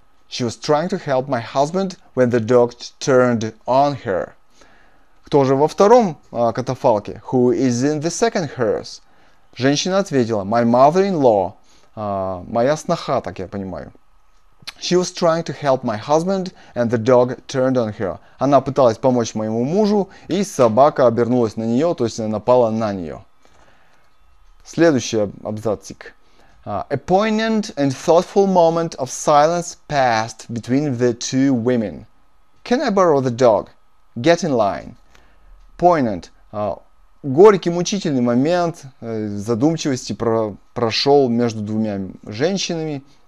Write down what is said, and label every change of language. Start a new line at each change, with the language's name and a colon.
English: She was trying to help my husband when the dog turned on her.
Russian: Кто же во втором катафалке?
English: Who is in the second hearse?
Russian: Женщина ответила,
English: my mother-in-law.
Russian: Моя сноха, так я понимаю.
English: She was trying to help my husband and the dog turned on her.
Russian: Она пыталась помочь моему мужу, и собака обернулась на нее, то есть напала на нее. Следующий абзацик.
English: A poignant and thoughtful moment of silence passed between the two women. Can I borrow the dog? Get in line. Poignant.
Russian: Горький, мучительный момент задумчивости прошел между двумя женщинами.